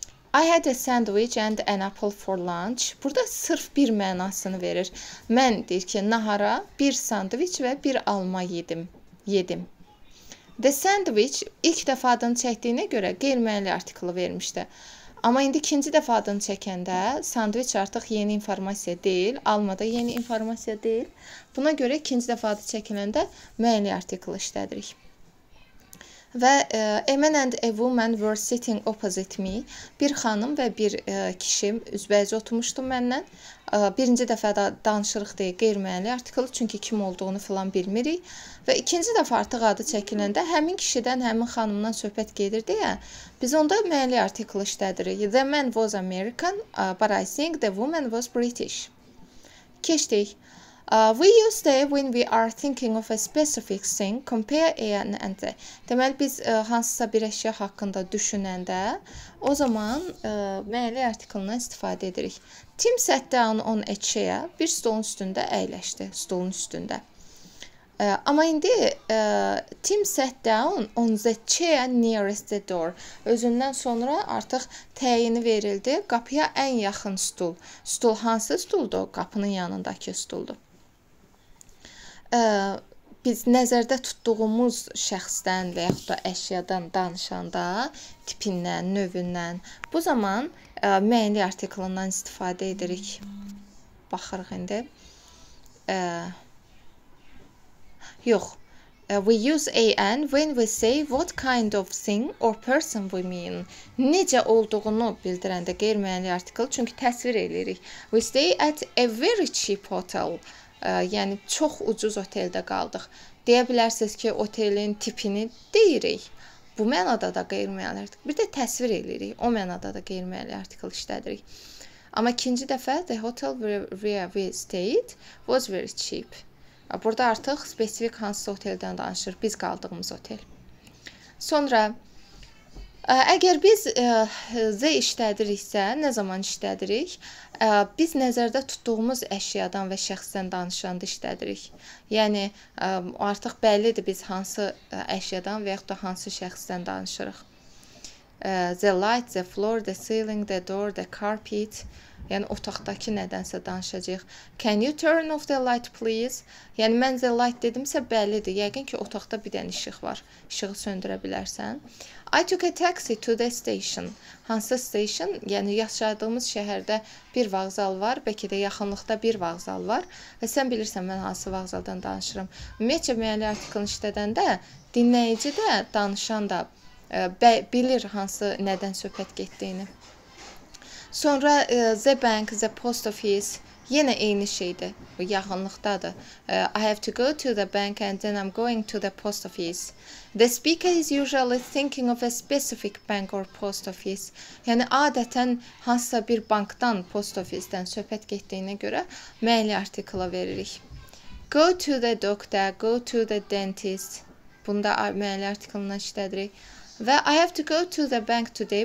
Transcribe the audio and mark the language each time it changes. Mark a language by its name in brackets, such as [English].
[English] I had a sandwich and an apple for lunch. [Azerbaijani] Burada sırf bir mənasını verir. Mən deyir ki, nahara bir sandviç və bir alma yedim. [English] The sandwich [Azerbaijani] ilk dəfə adını çəkdiyinə görə qeyri-müəyyənlik artiklı vermişdi. Amma indi ikinci dəfə adını çəkəndə sandviç artıq yeni informasiya deyil, alma da yeni informasiya deyil. Buna görə ikinci dəfə adı çəkiləndə müəyyənlik artiklı işlədirik. Və [English] a man and a woman were sitting opposite me. [Azerbaijani] Bir xanım və bir kişim üzbəyəcə oturmuşdu məndən. Birinci dəfə də danışırıq deyə qeyri-müəyyənlik artikl, çünki kim olduğunu filan bilmirik. Və ikinci dəfə artıq adı çəkiləndə həmin kişidən, həmin xanımdan söhbət gedir deyə biz onda müəyyənlik artikl işlədirik. [English] The man was American, but I think the woman was British. [Azerbaijani] Keçdik. [English] We use the when we are thinking of a specific thing, compare a and the. [Azerbaijani] Deməli, biz hansısa bir əşyə haqqında düşünəndə, o zaman müəyyənlik artiklindən istifadə edirik. [English] Tim sat down on a chair, [Azerbaijani] bir stolun üstündə əyləşdi, stolun üstündə. Amma indi [English] Tim sat down on the chair nearest the door. [Azerbaijani] Özündən sonra artıq təyini verildi, qapıya ən yaxın stol. Stol hansı stoldur? Qapının yanındakı stoldur. Biz nəzərdə tutduğumuz şəxsdən və yaxud da əşyadan danışanda tipindən, növündən bu zaman müəyyənlik artiklindən istifadə edirik. Baxırıq indi. Yox. [English] We use an when we say what kind of thing or person we mean. [Azerbaijani] Necə olduğunu bildirəndə qeyri-müəyyənlik artikl, çünki təsvir edirik. [English] We stay at a very cheap hotel. [Azerbaijani] Yəni, çox ucuz oteldə qaldıq. Deyə bilərsiniz ki, otelin tipini deyirik. Bu mənada da qeyri-müəyyənlik artikl. Bir də təsvir edirik. O mənada da qeyri-müəyyənlik artikl işlədirik. Amma ikinci dəfə, [English] the hotel where we stayed was very cheap. [Azerbaijani] Burada artıq spesifik hansı oteldən danışır. Biz qaldığımız otel. Sonra, əgər biz z işlədiriksə, nə zaman işlədirik? Biz nəzərdə tutduğumuz əşyadan və şəxsdən danışanda işlədirik. Yəni, artıq bəllidir biz hansı əşyadan və yaxud da hansı şəxsdən danışırıq. [English] The light, the floor, the ceiling, the door, the carpet. [Azerbaijani] Yəni, otaqdakı nədənsə danışacaq. [English] Can you turn off the light, please? [Azerbaijani] Yəni, mən [English] the light [Azerbaijani] dedimsə, bəllidir. Yəqin ki, otaqda bir dənə işıq var. İşığı söndürə bilərsən. [English] I took a taxi to the station. [Azerbaijani] Hansı station? Yəni, yaşadığımız şəhərdə bir vağzal var. Bəlkə də yaxınlıqda bir vağzal var. Və sən bilirsən, mən hansı vağzaldan danışıram. Ümumiyyətcə, müəyyənlik artikl işlədəndə, dinləyici də, danışan da bilir hansı nədən söhbət getdiyini. Sonra [English] the bank, the post office [Azerbaijani] yenə eyni şeydir, bu yaxınlıqdadır. [English] I have to go to the bank and then I'm going to the post office. The speaker is usually thinking of a specific bank or post office. [Azerbaijani] Yəni, adətən hansısa bir bankdan, post office-dən söhbət getdiyinə görə müəyyənlik artikla veririk. [English] Go to the doctor, go to the dentist. [Azerbaijani] Bunda müəyyənlik artiklindən işlədirik. Və [English] I have to go to the bank today.